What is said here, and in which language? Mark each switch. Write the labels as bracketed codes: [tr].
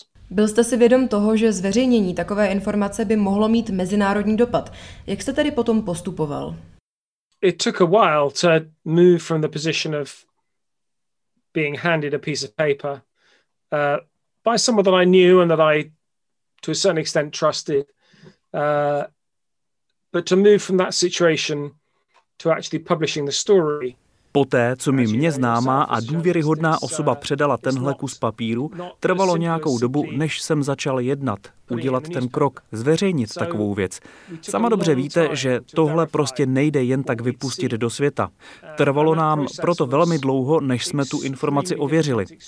[cs] Byl jste si vědom toho, že zveřejnění takové informace by mohlo mít mezinárodní dopad. Jak jste tedy potom postupoval? [en] It took a while to move from the position of being handed a piece of paper by someone that I knew and that I to a certain extent trusted but to move from that situation to actually publishing the story. [cs] Poté, co mi mě známá a důvěryhodná osoba předala tenhle kus papíru, trvalo nějakou dobu, než jsem začal jednat, udělat ten krok, zveřejnit takovou věc. Sama dobře víte, že tohle prostě nejde jen tak vypustit do světa. Trvalo nám proto velmi dlouho, než jsme tu informaci ověřili.